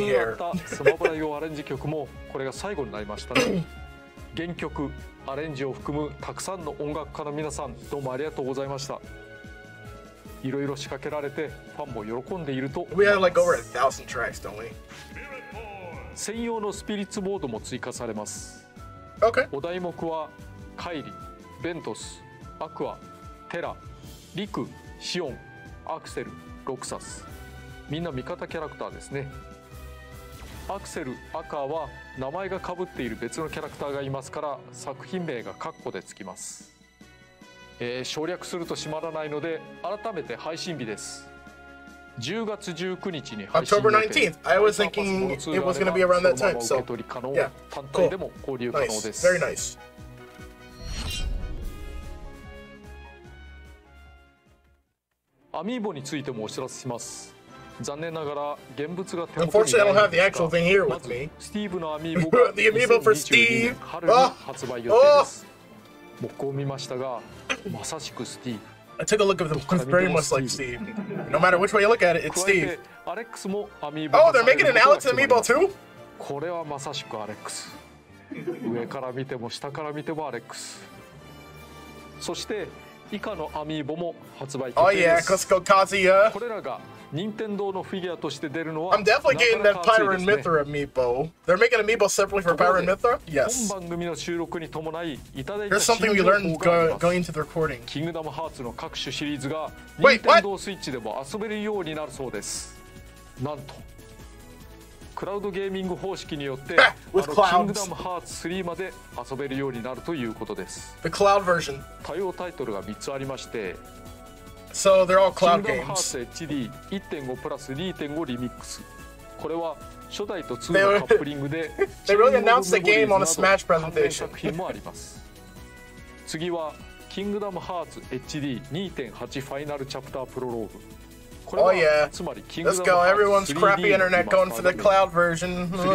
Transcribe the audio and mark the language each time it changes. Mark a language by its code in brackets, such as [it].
[ja] ったスマブラ用アレンジ曲もこれが最後になりましたね原曲アレンジを含むたくさんの音楽家の皆さんどうもありがとうございましたいろいろ仕掛けられてファンも喜んでいると思います [en] We have like over 1000 tracks, don't we? [ja] 専用のスピリッツボードも追加されます、 [en] okay. [ja] お題目はカイリ、ベントス、アクア、テラ、リク、シオン、アクセル、ロクサスみんな味方キャラクターですねアクセル、アカは名前が被っている別のキャラクターがいますから作品名がカッコでつきます、省略すると閉まらないので改めて配信日です10月19日に配信予定 [en] October 19th. I was thinking it was going to be around that time. So, yeah. Cool. [ja] 単体でも交流可能です。 [en] Nice. Very nice. [ja] アミーボについてもお知らせします。残念ながら現物が手元にないんですが、 [en] Unfortunately, I don't have the actual thing here with me. [ja] スティーブのアミーボが [en] The Amiibo for Steve. [ja] 春に発売予定です。僕を見ましたが、まさしくスティーブ。 [en] I took a look at them, it's very much like Steve. No matter which way you look at it, it's Steve. Oh, they're making an Alex Amiibo too? [ja] これはまさしくアレックス。上から見ても下から見てもアレックス。そして、以下のアミーボも発売決定です。 [en] Oh yeah, Costco Kazuya. [ja] これらが任天堂のフィギュアとして出るのは、 [en] I'm definitely getting that Pyro and Mithra Amiibo. They're making Amiibo separately for Pyro and Mithra? Yes. [ja] 本番組の収録に伴い、いただいた新情報があります。 [en] There's something we learned going into the recording. [ja] キングダムハーツの各種シリーズが任天堂スイッチでも遊べるようになるそうです。なんと。クラウドゲーミング方式によって、キングダムハーツ3まで遊べるようになるということです。 [en] The cloud version. [ja] 対応タイトルが3つありまして、 [en] So they're all cloud games. [ja] キングダムハーツ HD 1.5 プラス 2.5 リミックス。これは初代と2のカップリングで、 [en] They really announced the game on a Smash presentation. [ja] 作品もあります。次は、キングダムハーツ HD 2.8 ファイナルチャプタープロローグ。 [en] Oh yeah, let's go, everyone's crappy internet going for the cloud version.